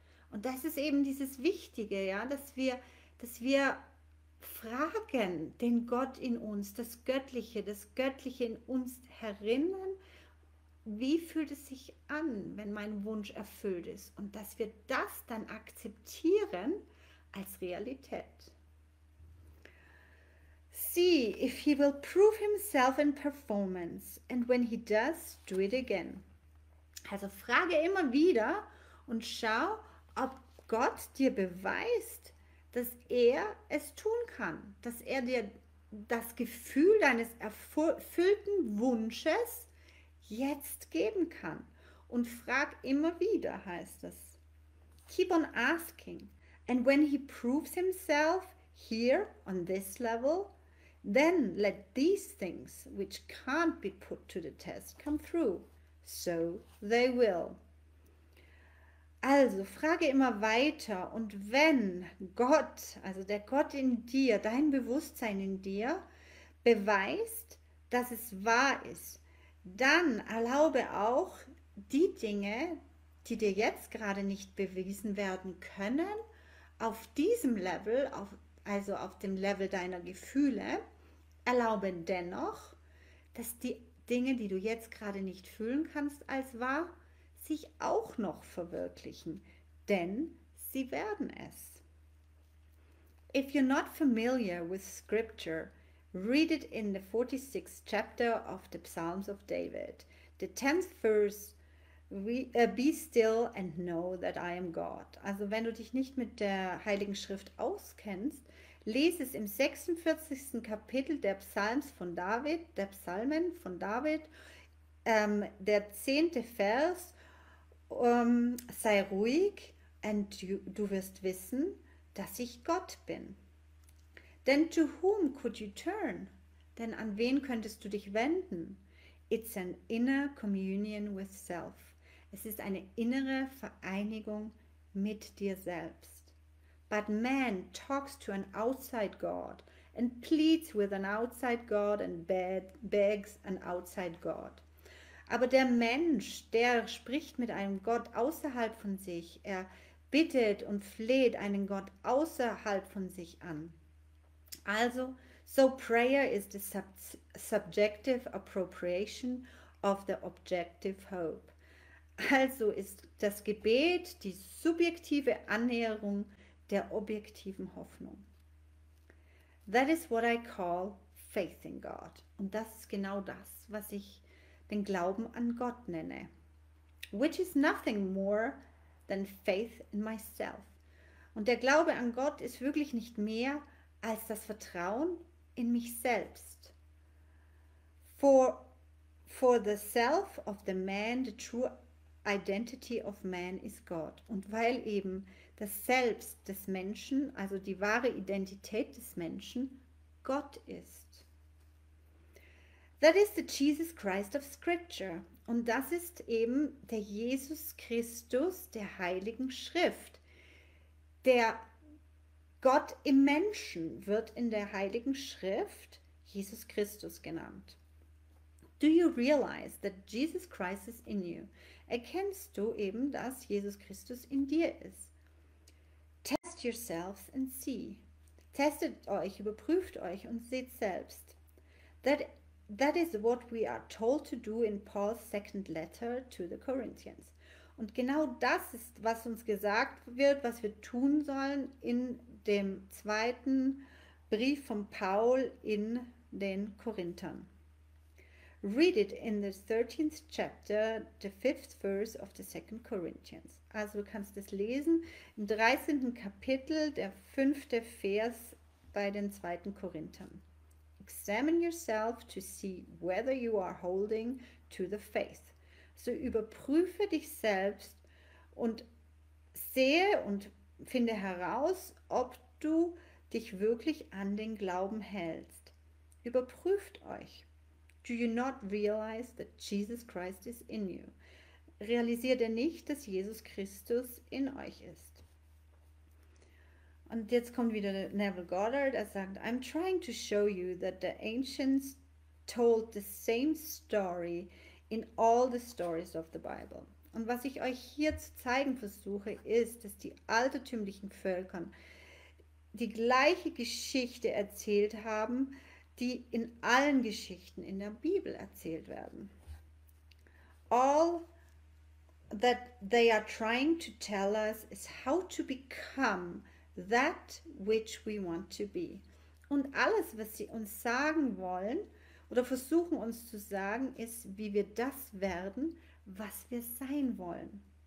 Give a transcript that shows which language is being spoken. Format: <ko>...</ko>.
<de>Und das ist eben dieses Wichtige, ja, dass wir fragen den Gott in uns, das Göttliche in uns herinnen, wie fühlt es sich an, wenn mein Wunsch erfüllt ist? Und dass wir das dann akzeptieren als Realität.</de> <en>See if he will prove himself in performance and when he does, do it again.</en> <de>Also frage immer wieder und schau, ob Gott dir beweist, dass er es tun kann, dass er dir das Gefühl deines erfüllten Wunsches jetzt geben kann. Und frag immer wieder, heißt es.</de> <en>Keep on asking. And when he proves himself here on this level, then let these things, which can't be put to the test, come through. So they will.</en> <de>Also, frage immer weiter. Und wenn Gott, also der Gott in dir, dein Bewusstsein in dir, beweist, dass es wahr ist, dann erlaube auch die Dinge, die dir jetzt gerade nicht bewiesen werden können, auf diesem Level, also auf dem Level deiner Gefühle, erlaube dennoch, dass die Dinge, die du jetzt gerade nicht fühlen kannst als wahr, sich auch noch verwirklichen, denn sie werden es.</de> <en>If you're not familiar with scripture, read it in the 46th chapter of the Psalms of David. The 10th verse Be still and know that I am God.</en> <de>Also wenn du dich nicht mit der Heiligen Schrift auskennst, lese es im 46. Kapitel der Psalms von David, der Psalmen von David, der 10. Vers, sei ruhig and du wirst wissen, dass ich Gott bin.</de> <en>Then to whom could you turn?</en> <de>Denn an wen könntest du dich wenden?</de> <en>It's an inner communion with self.</en> <de>Es ist eine innere Vereinigung mit dir selbst.</de> <en>But man talks to an outside God and pleads with an outside God and begs an outside God.</en> <de>Aber der Mensch, der spricht mit einem Gott außerhalb von sich. Er bittet und fleht einen Gott außerhalb von sich an.</de> <en>Also, so prayer is the subjective appropriation of the objective hope.</en> <de>Also ist das Gebet die subjektive Annäherung der objektiven Hoffnung.</de> <en>That is what I call faith in God.</en> <de>Und das ist genau das, was ich den Glauben an Gott nenne.</de> <en>Which is nothing more than faith in myself.</en> <de>Und der Glaube an Gott ist wirklich nicht mehr als das Vertrauen in mich selbst.</de> <en>For the self of the man, the true identity of man is God.</en> <de>Und weil eben das Selbst des Menschen, also die wahre Identität des Menschen, Gott ist.</de> <en>That is the Jesus Christ of Scripture.</en> <de>Und das ist eben der Jesus Christus der Heiligen Schrift. Der Gott im Menschen wird in der Heiligen Schrift Jesus Christus genannt.</de> <en>Do you realize that Jesus Christ is in you?</en> <de>Erkennst du eben, dass Jesus Christus in dir ist?</de> <en>Test yourselves and see.</en> <de>Testet euch, überprüft euch und seht selbst.</de> <en>That is what we are told to do in Paul's second letter to the Corinthians.</en> <de>Und genau das ist, was uns gesagt wird, was wir tun sollen in dem zweiten Brief von Paul in den Korinthern.</de> <en>Read it in the 13th chapter, the 5th verse of the 2nd Corinthians.</en> <de>Also du kannst es lesen im 13. Kapitel, der 5. Vers bei den 2. Korinthern.</de> <en>Examine yourself to see whether you are holding to the faith.</en> <de>So überprüfe dich selbst und sehe und finde heraus, ob du dich wirklich an den Glauben hältst. Überprüft euch.</de> <en>Do you not realize that Jesus Christ is in you?</en> <de>Realisiert ihr nicht, dass Jesus Christus in euch ist? Und jetzt kommt wieder Neville Goddard, er sagt,</de> <en>I'm trying to show you that the ancients told the same story in all the stories of the Bible.</en> <de>Und was ich euch hier zu zeigen versuche, ist, dass die altertümlichen Völker die gleiche Geschichte erzählt haben, die in allen Geschichten in der Bibel erzählt werden.</de> <en>All that they are trying to tell us is how to become that which we want to be.</en> <de>Und alles, was sie uns sagen wollen oder versuchen uns zu sagen, ist, wie wir das werden, was wir sein wollen.</de>